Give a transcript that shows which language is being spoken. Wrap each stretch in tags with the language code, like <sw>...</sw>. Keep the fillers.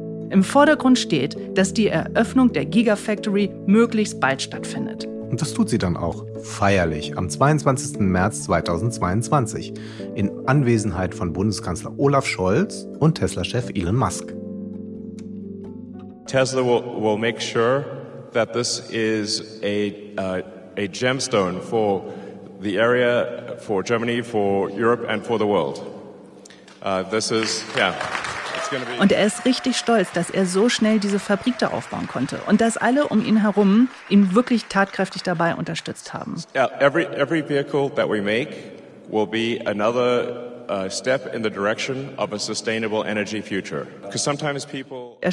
<de>Im Vordergrund steht, dass die Eröffnung der Gigafactory möglichst bald stattfindet. Und das tut sie dann auch feierlich am 22. März 2022 in Anwesenheit von Bundeskanzler Olaf Scholz und Tesla-Chef Elon Musk.</de> <en>Tesla will, will, make sure that this is a, a, a gemstone for the area, for Germany, for Europe and for the world. Uh, this is, yeah.</en> <de>Und er ist richtig stolz, dass er so schnell diese Fabrik da aufbauen konnte und dass alle um ihn herum ihn wirklich tatkräftig dabei unterstützt haben. er</de>